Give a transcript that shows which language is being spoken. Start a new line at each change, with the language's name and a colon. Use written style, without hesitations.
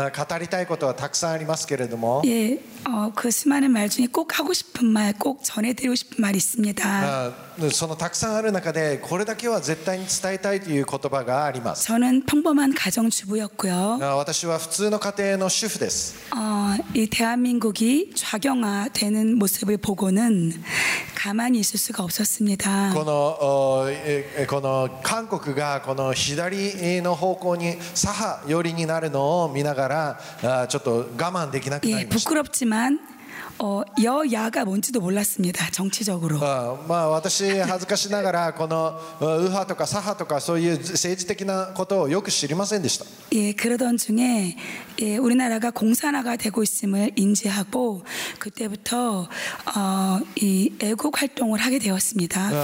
Japanese: この短い時間語りたいことはたくさんありますけれども
Korean: 예, 그 수많은 말 중에 꼭 하고 싶은 말, 꼭 전해드리고 싶은 말이 있습니다.
Japanese: そのたくさんある中でこれだけは絶対に伝えたいという言葉があります.
Korean: 저는 평범한 가정주부였고요.
Japanese: 私は普通の家庭の主婦です.
Korean: 이 대한민국이 좌경화되는 모습을 보고는 가만히 있을 수가 없었습니다.
Japanese: この韓国がこの左の方向に左寄りになるのを見ながらちょっと我慢できなくなりました.
Korean: 예, 부끄럽지만 여야가 뭔지도 몰랐습니다. 정치적으로.
Japanese: 私恥ずかしながらこの右派とか左派とかそういう政治的なことをよく知りませんでした.
Korean: 예, 그러던 중에 예, 우리나라가 공산화가 되고 있음을 인지하고 그때부터 이 애국 활동을 하게 되었습니다.